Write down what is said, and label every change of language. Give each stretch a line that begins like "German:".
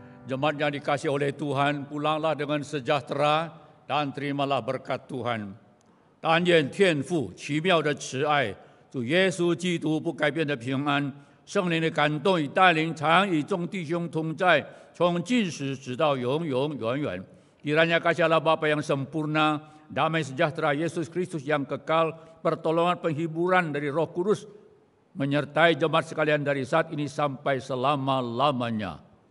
Indonesian: yang dikasihi oleh Tuhan, pulanglah dengan sejahtera dan terimalah berkat Tuhan.
Chinese: 但愿天父奇妙的慈爱主耶稣基督不改变的平安圣灵的感动与带领常与众弟兄同在从今时直到永永远远。
Indonesian: Kiranya kasih Allah Bapa yang sempurna, damai sejahtera Yesus Kristus yang kekal, pertolongan penghiburan dari Roh Kudus menyertai jemaat sekalian dari saat ini sampai selama-lamanya.